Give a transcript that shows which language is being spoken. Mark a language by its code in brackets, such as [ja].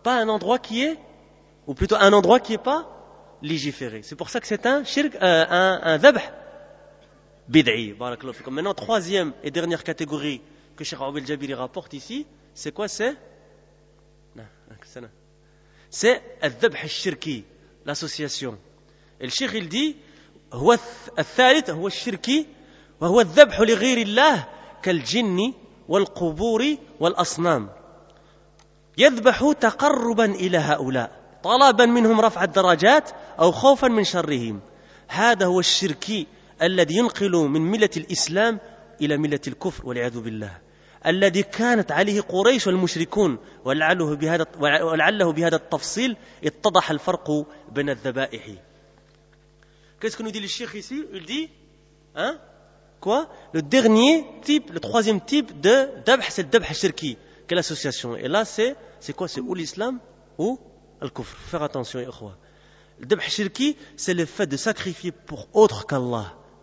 [fr] Pas un endroit qui est, ou plutôt un endroit qui n'est pas légiféré. C'est pour ça que c'est un shirk, un dhabh bid'i. Maintenant, 3e et dernière catégorie que Cheikh Abdel Jabir rapporte ici, c'est quoi? C'est C'est [ar] الذبح الشركي, [fr] l'association. Et le cheikh il dit, [ar] هو الثالث هو الشركي وهو الذبح لغير الله كالجن والقبور والأصنام. يذبح تقربا إلى هؤلاء طلبا منهم رفع الدرجات أو خوفا من شرهم. هذا هو الشركي الذي ينقل من ملة الإسلام إلى ملة الكفر والعياذ بالله, الذي كانت عليه قريش والمشركون. ولعله بهذا التفصيل اتضح الفرق بين الذبائح. [fr] Qu'est-ce que nous dit le cheikh ici? Il dit, hein? Quoi? Le dernier type, le troisième type de dabh, c'est le dabh shirki. Quelle association? Et là, c'est quoi? C'est ou l'islam ou le kufr. Faire attention, ikhwa. Le dabh shirki, c'est le fait de sacrifier pour autre qu'Allah.